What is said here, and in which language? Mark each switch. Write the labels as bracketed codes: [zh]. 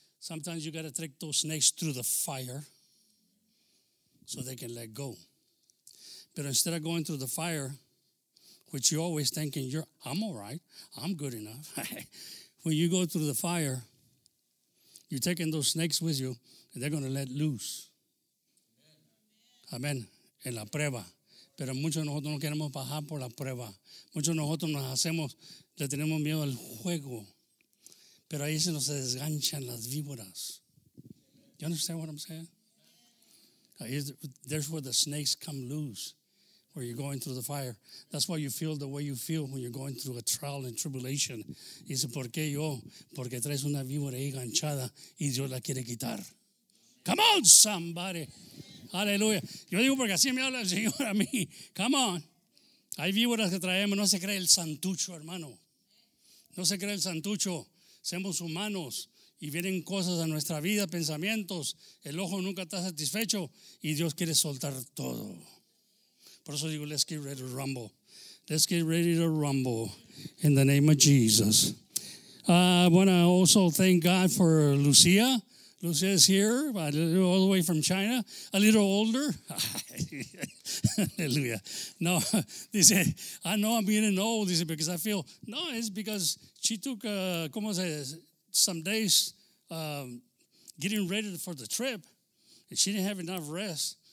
[en] Sometimes you got to take those snakes through the fire so they can let go. But instead of going through the fire, which you're always thinking, I'm all right, I'm good enough. When you go through the fire, you're taking those snakes with you, and they're going to let loose. [es] Amen. En la prueba. Pero muchos de nosotros no queremos bajar por la prueba. Muchos de nosotros nos hacemos, le tenemos miedo al juego. Pero ahí se nos desganchan las víboras. [en] You understand what I'm saying? There's where the snakes come loose, where you're going through the fire. That's why you feel the way you feel when you're going through a trial and tribulation. [es] Y dice, ¿por qué yo? Porque traes una víbora ahí ganchada y Dios la quiere quitar. [en] Come on, somebody. [es] Aleluya. Yo digo porque así me habla el Señor a mí. [en] Come on. [es] Hay víboras que traemos. No se cree el santucho, hermano. No se cree el santucho. Somos humanos y vienen cosas a nuestra vida, pensamientos. El ojo nunca está satisfecho y Dios quiere soltar todo. Por eso digo, [en] let's get ready to rumble. Let's get ready to rumble in the name of Jesus. I want to also thank God for Lucia. Lucia is here, all the way from China, a little older. Hallelujah. No, dice, I know I'm getting old, dice, because I feel, no, it's because she took, some days getting ready for the trip, and she didn't have enough rest.